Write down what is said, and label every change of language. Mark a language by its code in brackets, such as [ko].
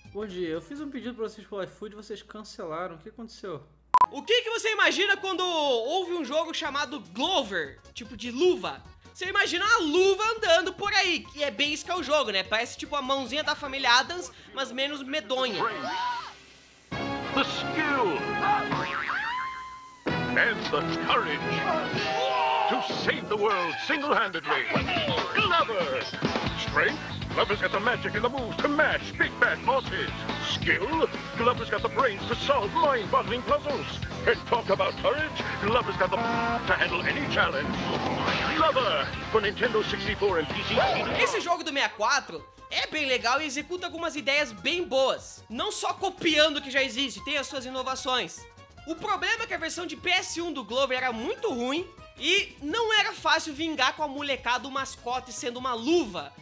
[pt] Bom dia, eu fiz um pedido pra vocês pro iFood e vocês cancelaram, o que aconteceu? O que que você imagina quando ouve um jogo chamado Glover, tipo de luva? Você imagina uma luva andando por aí, que é bem isso que é o jogo, né? Parece tipo a mãozinha da família Adams, mas menos medonha. [en] The skill and the courage to save the world single-handedly. Glover! Strength? Glover's got the magic and the moves to mash big bad bosses. Skill? Glover's got the brains to solve mind-boggling puzzles. And talk about courage? Glover's got the to handle any challenge. Glover, for Nintendo 64 and PC. [pt] Esse jogo do 64 é bem legal e executa algumas ideias bem boas. Não só copiando o que já existe, tem as suas inovações. O problema é que a versão de PS1 do Glover era muito ruim. E não era fácil vingar com a molecada o mascote sendo uma luva.